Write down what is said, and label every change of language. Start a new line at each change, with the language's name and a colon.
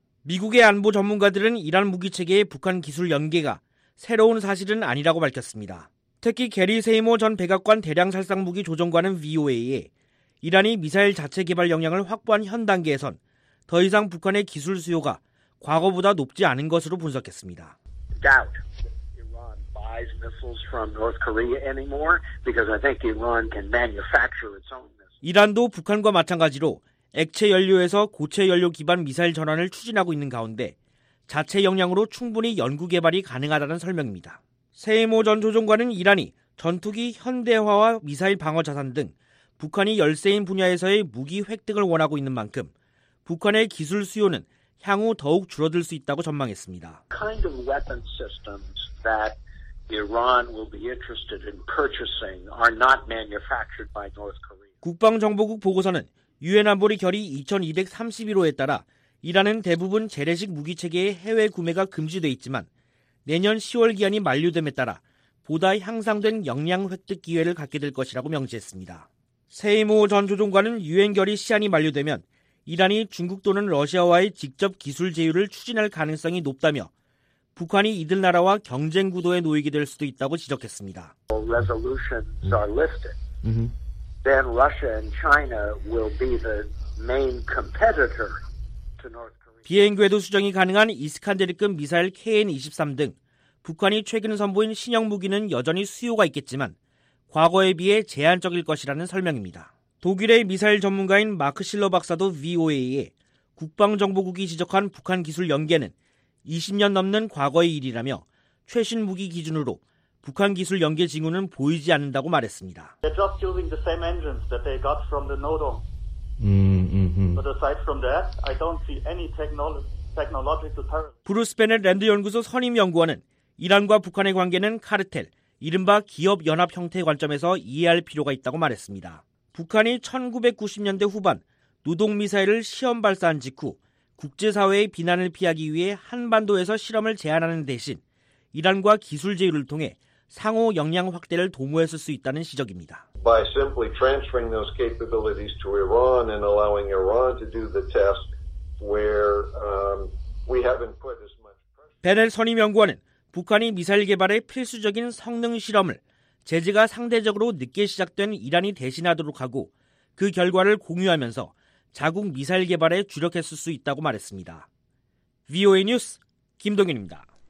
Korean: 미국의 안보 전문가들은 이란 무기체계의 북한 기술 연계가 새로운 사실은 아니라고 밝혔습니다. 특히 게리 세이모 전 백악관 대량살상무기 조정관은 VOA에 이란이 미사일 자체 개발 역량을 확보한 현 단계에선 더 이상 북한의 기술 수요가 과거보다 높지 않은 것으로 분석했습니다.
English: Doubt. Iran buys missiles from North Korea anymore because I think Iran can manufacture its own missiles.
Korean: 이란도 북한과 마찬가지로 액체 연료에서 고체 연료 기반 미사일 전환을 추진하고 있는 가운데 자체 역량으로 충분히 연구 개발이 가능하다는 설명입니다. 세이모 전 조정관은 이란이 전투기 현대화와 미사일 방어 자산 등 북한이 열세인 분야에서의 무기 획득을 원하고 있는 만큼 북한의 기술 수요는 향후 더욱 줄어들 수 있다고 전망했습니다.
English: Kind of weapon systems that Iran will be interested in purchasing are not manufactured by North Korea.
Korean: 국방정보국 보고서는 유엔 안보리 결의 2231호에 따라 이란은 대부분 재래식 무기체계의 해외 구매가 금지돼 있지만 내년 10월 기한이 만료됨에 따라 보다 향상된 역량 획득 기회를 갖게 될 것이라고 명시했습니다. 세이모 전 조정관은 유엔 결의 시한이 만료되면 이란이 중국 또는 러시아와의 직접 기술 제휴를 추진할 가능성이 높다며 북한이 이들 나라와 경쟁 구도에 놓이게 될 수도 있다고 지적했습니다.
English: Resolutions are lifted. Then Russia and China will be the main competitor to North Korea.
Korean: 비행 궤도 수정이 가능한 이스칸데르급 미사일 KN-23 등 북한이 최근 선보인 신형 무기는 여전히 수요가 있겠지만 과거에 비해 제한적일 것이라는 설명입니다. 독일의 미사일 전문가인 마크 실러 박사도 VOA에 국방정보국이 지적한 북한 기술 연계는 20년 넘는 과거의 일이라며 최신 무기 기준으로 북한 기술 연계 징후는 보이지 않는다고 말했습니다.
English: They're just using the same engines that they got from the Nodong. But aside from that, I don't see any technological parallel.
Korean: 브루스 베넷 랜드 연구소 선임 연구원은 이란과 북한의 관계는 카르텔, 이른바 기업 연합 형태 관점에서 이해할 필요가 있다고 말했습니다. 북한이 1990년대 후반 노동 미사일을 시험 발사한 직후 국제사회의 비난을 피하기 위해 한반도에서 실험을 제한하는 대신 이란과 기술 제휴를 통해 상호 역량 확대를 도모했을 수 있다는 지적입니다.
English: By simply transferring those capabilities to Iran and allowing Iran to do the task where we haven't put as much pressure.
Korean: 베넬 선임 연구원은 북한이 미사일 개발에 필수적인 성능 실험을 제재가 상대적으로 늦게 시작된 이란이 대신하도록 하고 그 결과를 공유하면서 자국 미사일 개발에 주력했을 수 있다고 말했습니다. VOA 뉴스 김동윤입니다.